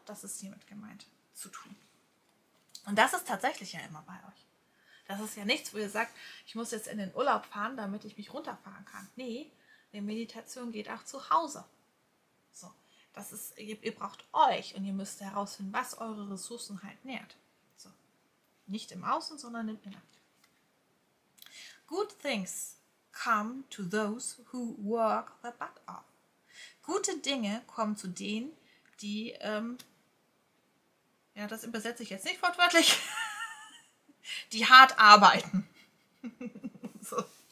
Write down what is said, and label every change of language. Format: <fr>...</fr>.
<de>Das ist hiermit gemeint, zu tun. Und das ist tatsächlich ja immer bei euch. Das ist ja nichts, wo ihr sagt, ich muss jetzt in den Urlaub fahren, damit ich mich runterfahren kann. Nee, die Meditation geht auch zu Hause. So, das ist, ihr braucht euch und ihr müsst herausfinden, was eure Ressourcen halt nährt. So, nicht im Außen, sondern im Inneren.</de> <en>Good things come to those who work their butt off.</en> <de>Gute Dinge kommen zu denen, die, ja, das übersetze ich jetzt nicht wortwörtlich, die hart arbeiten. So.</de>